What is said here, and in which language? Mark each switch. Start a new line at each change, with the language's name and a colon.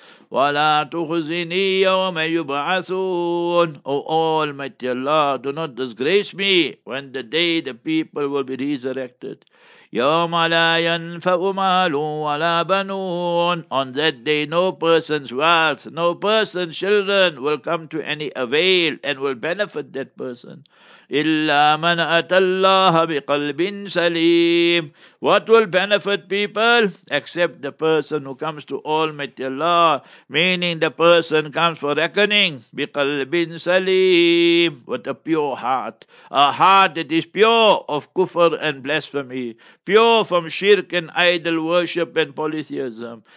Arabic: وَلَا تُخْزِنِي يَوْمَ يُبْعَثُونَ
English: Oh Almighty Allah, do not disgrace me when the day the people will be resurrected.
Arabic: يَوْمَ لَا يَنْفَعُ مَالٌ وَلَا بَنُونَ
English: On that day, no person's wealth, no person's children will come to any avail and will benefit that person.
Arabic: إِلَّا مَنْ أَتَى اللَّهَ بِقَلْبٍ سَلِيمٍ
English: What will benefit people? Except the person who comes to Almighty Allah, meaning the person comes for reckoning.
Arabic: بِقَلْبٍ سَلِيمٍ
English: With a pure heart. A heart that is pure of kufr and blasphemy. Pure from shirk and idol worship and polytheism.